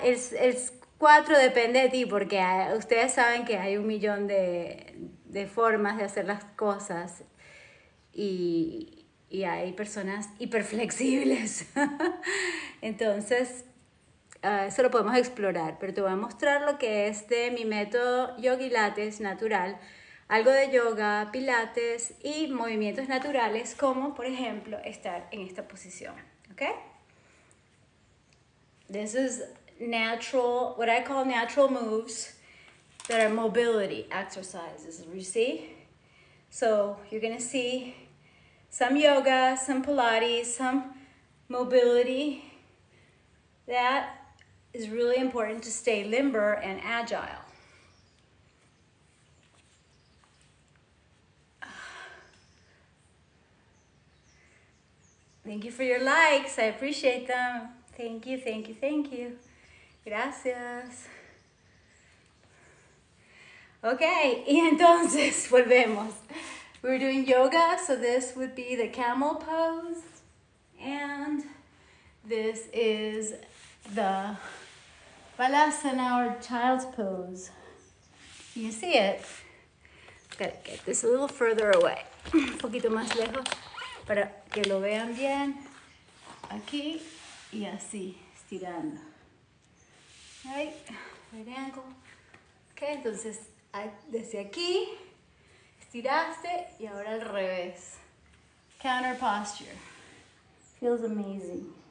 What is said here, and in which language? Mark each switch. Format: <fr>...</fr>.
<es>El 4 depende de ti, porque ustedes saben que hay un millón de formas de hacer las cosas y hay personas hiperflexibles. Entonces. Eso lo podemos explorar, pero te voy a mostrar lo que es de mi método yogilates natural, algo de yoga, pilates y movimientos naturales, como por ejemplo estar en esta posición. ¿Ok?</es> <en>This is natural, what I call natural moves that are mobility exercises. You see? So you're going to see some yoga, some pilates, some mobility that. Is really important to stay limber and agile. Thank you for your likes. I appreciate them. Thank you, thank you, thank you.</en> <es>Gracias. Okay, y entonces volvemos.</es> <en>We're doing yoga, so this would be the camel pose, and this is the Balasana or child's pose. You see it? Gotta get this a little further away.</en> <es>Un poquito más lejos para que lo vean bien. Aquí y así, estirando.</es> <en>Right? Right ankle.</en> <es>Okay, entonces desde aquí estiraste y ahora al revés.</es> <en>Counter posture. Feels amazing.</en>